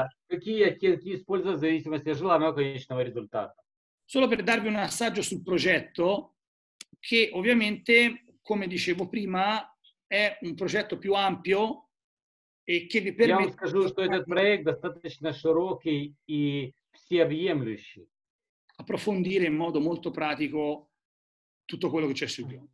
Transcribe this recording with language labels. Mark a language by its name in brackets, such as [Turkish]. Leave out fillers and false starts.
[Russian] какие оттенки используются в зависимости от желаемого конечного результата. [Italian] Solo per darvi un assaggio sul progetto che ovviamente, come dicevo prima, è un progetto più ampio e che vi permette. [Russian] Я вам скажу, что этот проект достаточно широкий и всеобъемлющий. [Italian] Approfondire in modo molto pratico tutto quello che c'è su di noi.